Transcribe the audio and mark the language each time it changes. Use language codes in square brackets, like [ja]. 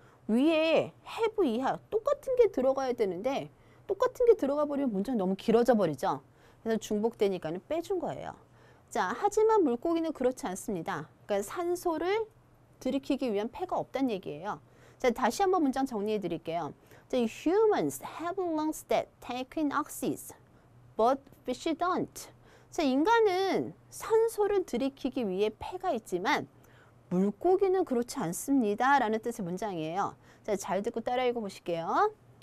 [ko] 위에 have 이하 똑같은 게 들어가야 되는데 똑같은 게 들어가 버리면 문장이 너무 길어져 버리죠. 그래서 중복되니까는 빼준 거예요. 자, 하지만 물고기는 그렇지 않습니다. 그러니까 산소를 들이키기 위한 폐가 없단 얘기예요. 자, 다시 한번 문장 정리해 드릴게요. [en] The humans have lungs that take in oxygen, but fish don't. [ko] 자, 인간은 산소를 들이키기 위해 폐가 있지만 물고기는 그렇지 않습니다. 라는 뜻의 문장이에요. 자, 잘 듣고 따라 읽어 보실게요.